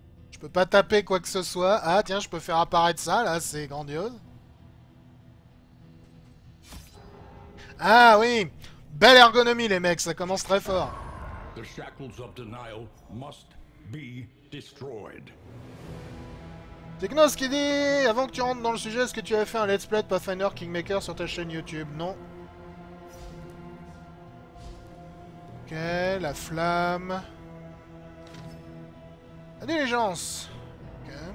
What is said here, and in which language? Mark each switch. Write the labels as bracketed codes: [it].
[fr] Je peux pas taper quoi que ce soit. Ah tiens, je peux faire apparaître ça là, c'est grandiose. Ah oui, belle ergonomie les mecs, ça commence très fort. [en] The shackles of denial must be destroyed. [fr] Technos qui dit, avant que tu rentres dans le sujet, est-ce que tu avais fait un let's play de Pathfinder Kingmaker sur ta chaîne YouTube? Non. Ok, la flamme. La diligence. Ok.